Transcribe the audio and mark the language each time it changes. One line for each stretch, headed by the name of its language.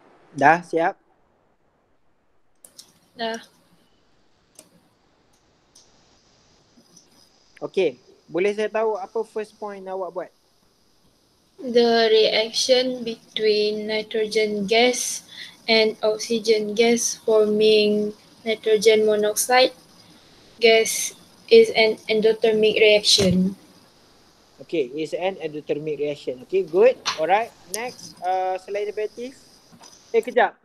Malay: Dah siap? Dah. Okay, boleh saya tahu apa
English: first point
Malay: awak buat?
English: The reaction between nitrogen gas and oxygen gas forming nitrogen monoxide gas is an endothermic reaction. Okay, it's an endothermic reaction. Okay, good. Alright, next.
Malay: Selain daripada eh, kejap.